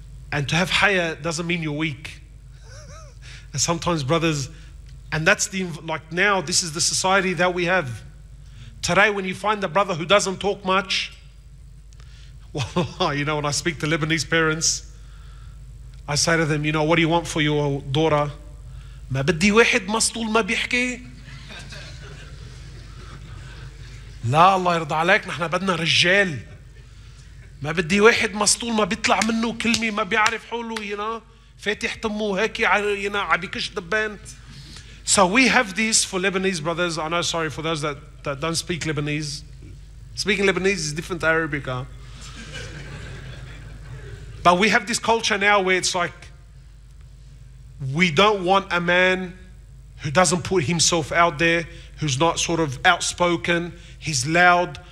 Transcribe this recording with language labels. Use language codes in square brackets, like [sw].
[en] And to have haya doesn't mean you're weak. And sometimes brothers, and that's the, like now, this is the society that we have. Today when you find a brother who doesn't talk much, well, you know, when I speak to Lebanese parents, I say to them, you know, what do you want for your daughter? [ar] ما بدي واحد مسطول ما بيحكي. لا الله يرضى عليك نحن بدنا رجال. ما بدي واحد مسطول ما بيطلع منه كلمة ما بيعرف حوله, [en] you know, [ar] فاتح تمه هيك, you know, عبيكش دبان. [en] So we have this for Lebanese brothers. I know, sorry for those that don't speak Lebanese. Speaking Lebanese is different to Arabic, huh? But we have this culture now where it's like, we don't want a man who doesn't put himself out there, who's not sort of outspoken, he's loud.